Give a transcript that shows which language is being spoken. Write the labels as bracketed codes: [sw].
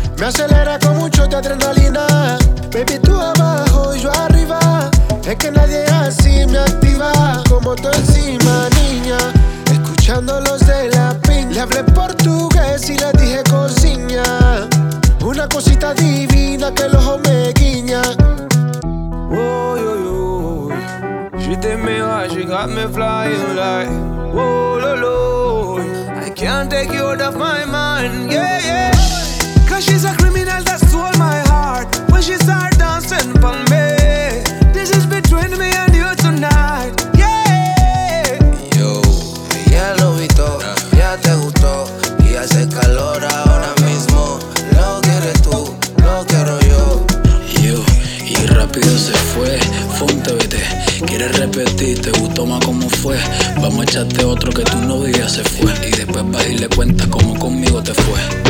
[es] Me acelera con un shot de adrenalina. Baby, tú abajo, yo arriba. Es que nadie así me activa como tú encima, niña. Escuchando los de la pin. Le hablé portugués y le dije cocina. Una cosita divina que el ojo me guiña. Oh, yo, yo. [en] She did me like she got me flying like, oh, lo, lo. I can't take you out of my mind, yeah, yeah. Cause she's a criminal that stole my heart when she start dancing for me. This is between me and you tonight, yeah. [es] Yo, ya lo vi todo, ya te gustó y hace calor ahora mismo. Lo quieres tú, lo quiero yo. Yo, y rápido se fue, fue un TBT. Quieres repetir, te gustó más como fue. Vamos a echarte otro que tu novio ya se fue. Y después vas y le cuentas como conmigo te fue.